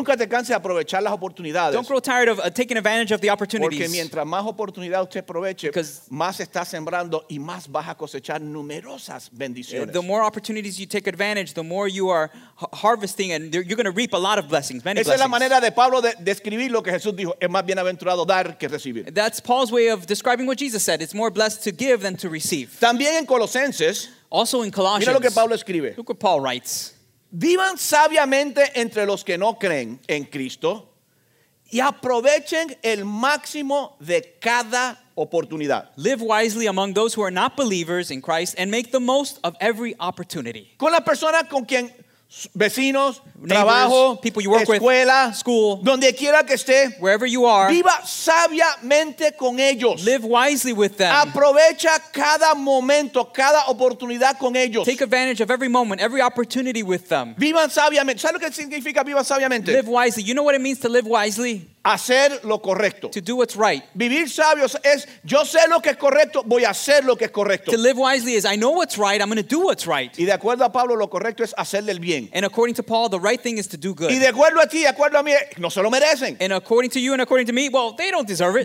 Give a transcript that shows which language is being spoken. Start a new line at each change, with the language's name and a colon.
Spanish: Nunca te canses de aprovechar las oportunidades.
English: Don't grow tired of taking advantage of the opportunities.
Spanish: Porque mientras más oportunidad usted aproveche,
English: because
Spanish: más está sembrando y más vas a cosechar numerosas bendiciones.
English: The more opportunities you take advantage, the more you are harvesting and you're going to reap a lot of blessings, many
Spanish: Esa
English: blessings.
Spanish: Esa es la manera de Pablo de describir lo que Jesús dijo. Es más bienaventurado dar que recibir.
English: That's Paul's way of describing what Jesus said. It's more blessed to give than to receive.
Spanish: También en Colosenses,
English: also in Colossians,
Spanish: mira lo que Pablo escribe.
English: Look what Paul writes.
Spanish: Vivan sabiamente entre los que no creen en Cristo y aprovechen el máximo de cada oportunidad.
English: Live wisely among those who are not believers in Christ and make the most of every opportunity.
Spanish: Con la persona con quien vecinos, trabajo,
English: people you work
Spanish: escuela,
English: with, school,
Spanish: donde quiera que esté,
English: wherever you are,
Spanish: viva sabiamente con ellos.
English: Live wisely with them.
Spanish: Aprovecha cada momento, cada oportunidad con ellos.
English: Take advantage of every moment, every opportunity with them.
Spanish: Vivan sabiamente. ¿Sabes lo que significa viva sabiamente?
English: Live wisely. You know what it means to live wisely?
Spanish: Hacer lo correcto.
English: To do what's right.
Spanish: Vivir sabios es yo sé lo que es correcto, voy a hacer lo que es correcto.
English: To live wisely is I know what's right, I'm going to do what's right.
Spanish: Y de acuerdo a Pablo, lo correcto es hacerle el bien.
English: And according to Paul, the right thing is to do good.
Spanish: Y de acuerdo a ti, de acuerdo a mí, no se lo merecen.
English: And according to you and according to me, well, they don't deserve it.